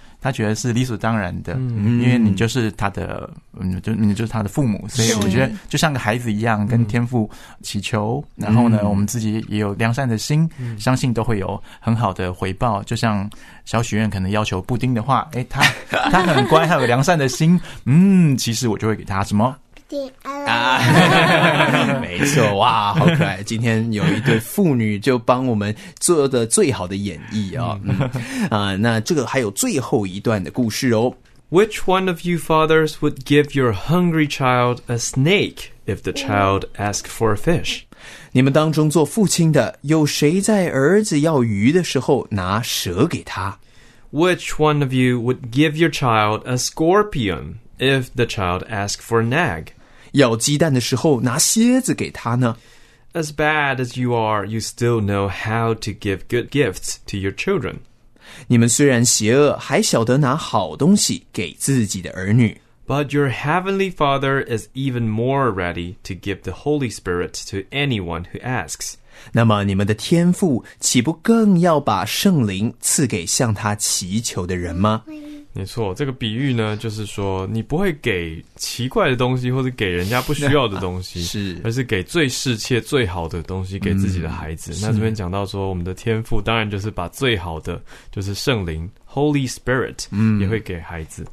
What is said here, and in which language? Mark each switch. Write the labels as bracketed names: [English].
[Chinese] 他觉得是理所当然的，嗯，因为你就是他的，你就是他的父母，所以我觉得就像个孩子一样跟天父祈求，嗯，然后呢，我们自己也有良善的心，嗯，相信都会有很好的回报，就像小许愿可能要求布丁的话，诶，他很乖，他有良善的心，嗯，其实我就会给他什么啊，没错，哇，好可爱！今天有一对妇女就帮我们做的最好的演绎啊，哦，那这个还有最后一段的故事哦。 [English] Which one of you fathers would give your hungry child a snake if the child asked for a fish？ [Chinese] 你们当中做父亲的，有谁在儿子要鱼的时候拿蛇给他 [English] ？Which one of you would give your child a scorpion？ If the child asks for an egg, [Chinese] 咬鸡蛋的时候拿蝎子给他呢 [English] As bad as you are, you still know how to give good gifts to your children. [Chinese] 你们虽然邪恶，还晓得拿好东西给自己的儿女 [English] But your heavenly father is even more ready to give the Holy Spirit to anyone who asks. [Chinese] 那么你们的天父岂不更要把圣灵赐给向他祈求的人吗没错，这个比喻呢，就是说你不会给奇怪的东西，或者给人家不需要的东西，是，而是给最适切、最好的东西给自己的孩子。嗯，那这边讲到说，我们的天父当然就是把最好的，就是圣灵 （Holy Spirit）， 也会给孩子。